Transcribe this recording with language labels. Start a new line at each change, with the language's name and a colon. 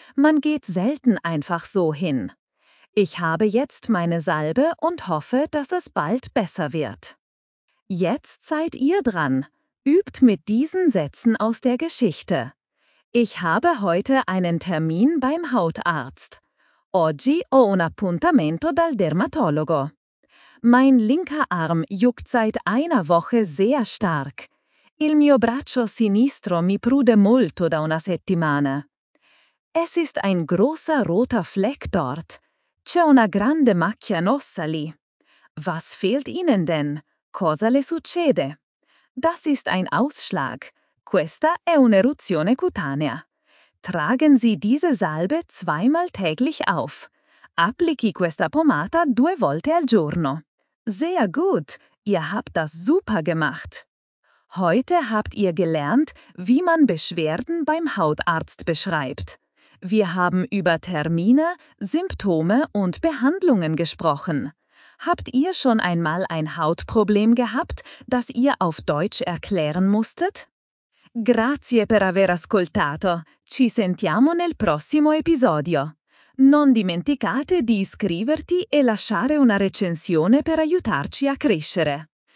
German: Man geht selten einfach so hin. Ich habe jetzt meine Salbe und hoffe, dass es bald besser wird. Jetzt seid ihr dran. Übt mit diesen Sätzen aus der Geschichte. Ich habe heute einen Termin beim Hautarzt.
Italian: Oggi ho un appuntamento dal dermatologo.
German: Mein linker Arm juckt seit einer Woche sehr stark.
Italian: Il mio braccio sinistro mi prude molto da una settimana.
German: Es ist ein großer roter Fleck dort.
Italian: C'è una grande macchia rossa lì.
German: Was fehlt Ihnen denn?
Italian: Cosa le succede?
German: Das ist ein Ausschlag.
Italian: Questa è un'eruzione cutanea.
German: Tragen Sie diese Salbe zweimal täglich auf.
Italian: Applichi questa pomata due volte al giorno.
German: Sehr gut, ihr habt das super gemacht. Heute habt ihr gelernt, wie man Beschwerden beim Hautarzt beschreibt. Wir haben über Termine, Symptome und Behandlungen gesprochen. Habt ihr schon einmal ein Hautproblem gehabt, das ihr auf Deutsch erklären musstet?
Italian: Grazie per aver ascoltato. Ci sentiamo nel prossimo episodio. Non dimenticate di iscriverti e lasciare una recensione per aiutarci a crescere.